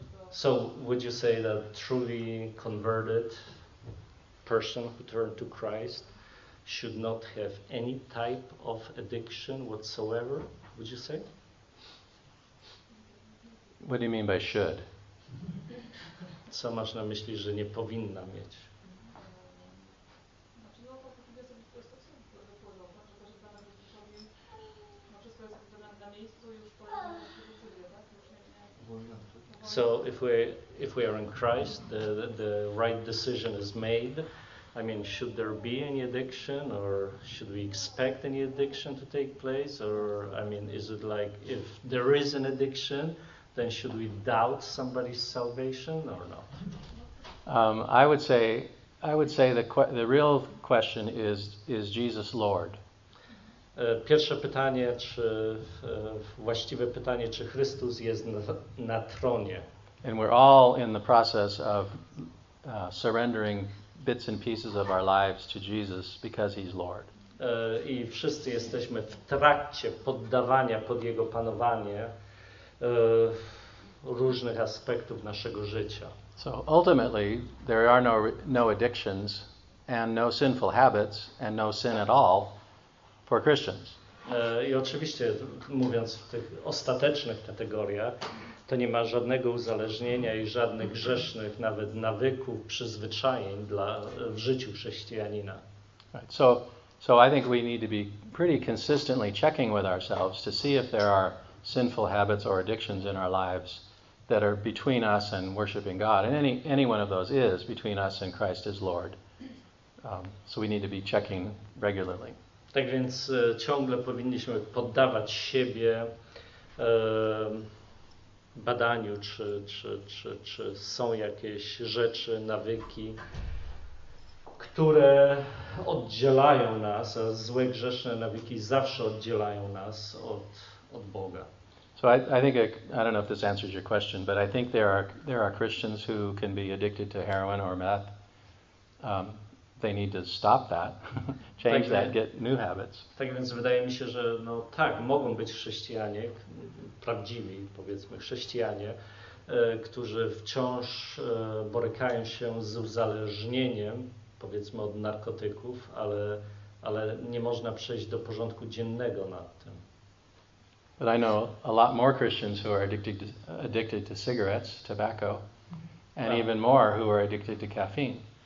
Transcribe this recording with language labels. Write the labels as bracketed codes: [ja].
[en] So, would you say that truly converted person who turned to Christ should not have any type of addiction whatsoever, would you say? What do you mean by should? [pl] Co masz na myśli, że nie powinna mieć? [en] So if we are in Christ, the right decision is made. I mean, should there be any addiction, or should we expect any addiction to take place? Or I mean, is it like if there is an addiction, then should we doubt somebody's salvation or not? I would say the real question is Jesus Lord? [pl] Pierwsze pytanie, czy właściwe pytanie, czy Chrystus jest na tronie? [en] And we're all in the process of surrendering bits and pieces of our lives to Jesus because he's Lord. [pl] I wszyscy jesteśmy w trakcie poddawania pod jego panowanie różnych aspektów naszego życia. [en] So ultimately there are no addictions and no sinful habits and no sin at all for Christians. [pl] I oczywiście mówiąc w tych ostatecznych kategoriach, to nie ma żadnego uzależnienia i żadnych grzesznych nawet nawyków, przyzwyczajeń dla w życiu chrześcijanina. [en] Right. So I think we need to be pretty consistently checking with ourselves to see if there are sinful habits or addictions in our lives that are between us and worshiping God. And any one of those is between us and Christ as Lord. So we need to be checking regularly. [pl] Tak więc ciągle powinniśmy poddawać siebie badaniu, czy są jakieś rzeczy, nawyki, które oddzielają nas, a złe, grzeszne nawyki zawsze oddzielają nas od Boga. [en] So I think, I don't know if this answers your question, but I think there are Christians who can be addicted to heroin or meth. They need to stop that, change that, get new habits. [pl] Tak więc wydaje mi się, że no tak, mogą być chrześcijanie, prawdziwi, powiedzmy, chrześcijanie, którzy wciąż borykają się z uzależnieniem, powiedzmy, od narkotyków, ale nie można przejść do porządku dziennego nad tym. [en] But I know a lot more Christians who are addicted to cigarettes, tobacco, and even more who are addicted to caffeine.